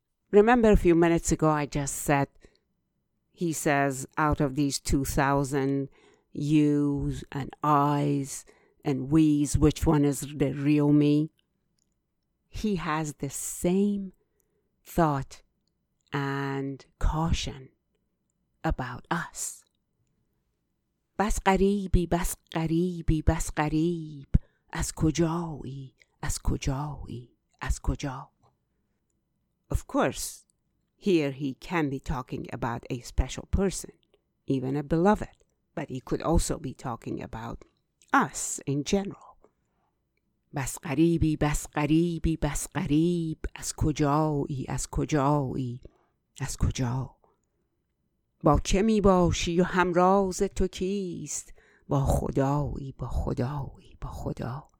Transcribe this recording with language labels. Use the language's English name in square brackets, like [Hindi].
[English] Remember a few minutes ago I just said, he says, out of these 2,000 you's and I's and we's, which one is the real me? He has the same thought and caution about us. [Persian] بس غریبی بس غریبی بس غریب از کجایی از کجایی از کجا. [English] Of course, here he can be talking about a special person, even a beloved, but he could also be talking about us in general. [Persian] بس غریبی بس غریبی بس غریب از کجایی از کجایی از کجا. با چه می باشی و همراز تو کیست؟ با خدایی، با خدایی، با خدا.